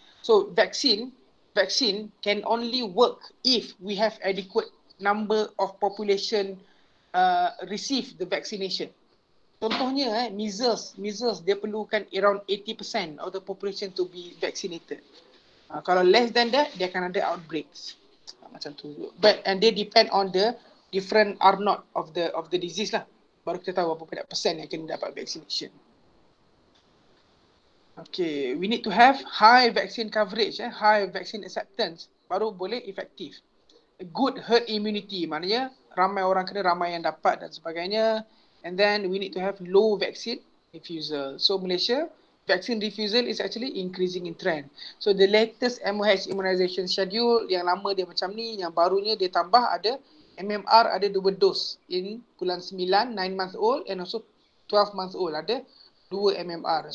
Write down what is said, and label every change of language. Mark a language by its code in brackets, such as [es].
[en] So vaccine can only work if we have adequate number of population receive the vaccination. Contohnya measles [ms] dia perlukan [en] around 80% of the population to be vaccinated. [ms] Kalau less than that, dia akan ada outbreaks. Macam tu. [en] But and they depend on the different R0 of the disease lah. [ms] Baru kita tahu berapa persen yang kena dapat vaccination. [en] Okay, we need to have high vaccine coverage, high vaccine acceptance. [ms] Baru boleh efektif. [en] Good herd immunity, [ms] maknanya ramai orang kena, ramai yang dapat dan sebagainya. [en] And then we need to have low vaccine refusal. So Malaysia, vaccine refusal is actually increasing in trend. [ms] So the latest MOH immunization schedule, yang lama dia macam ni, yang barunya dia tambah ada MMR, ada 2 dos in bulan 9, [en] 9 months old and also 12 months old [ms] ada 2 MMR.